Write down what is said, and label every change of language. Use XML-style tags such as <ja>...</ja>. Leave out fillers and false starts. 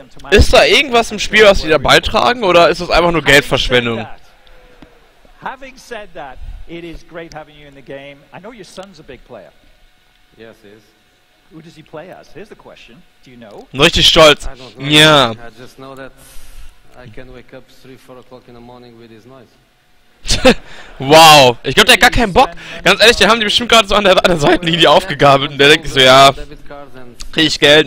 <de>Ist da irgendwas im Spiel, was sie da beitragen, oder ist das einfach nur Geldverschwendung?</de> <en>Having said that, it is great having you in the game. I know your son's a big player. Yes, he is. Who does he play as? Here's the question. Do you know?</en> <de>Richtig stolz. Ja.</de> <en>I just know that I can wake up 3-4 o'clock in the morning with his noise.</en> <de>Wow, ich glaube, der hat gar keinen Bock. Ganz ehrlich, die haben die bestimmt gerade so an der Seitenlinie aufgegabelt und der denkt so, ja, krieg ich Geld?</de>